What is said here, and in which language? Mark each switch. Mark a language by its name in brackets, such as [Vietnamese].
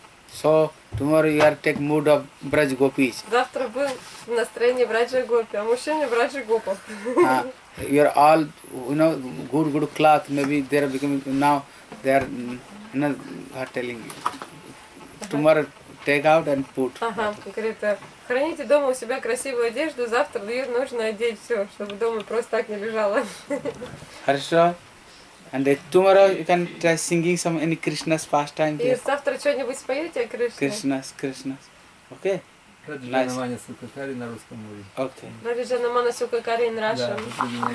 [English] So tomorrow you are take mood of Braj Gopis. [Russian] Завтра будем в настроении Браджа Гопи, а мужчине Браджа Гопа. [English] You are all, you know, good cloth. Maybe they are becoming now. They are, you know, are telling you. Tomorrow take out and put. [Russian] Говорит, храните дома у себя красивую одежду. Завтра ее нужно одеть все, чтобы дома просто так не лежало. Хорошо. [English] And tomorrow you can try singing some any Krishna's pastime. [Russian] И завтра что-нибудь споете о Кришне? Кришна. Окей. Раджанамана Сукакари на русском языке. Окей. Раджанамана Сукакари на русском.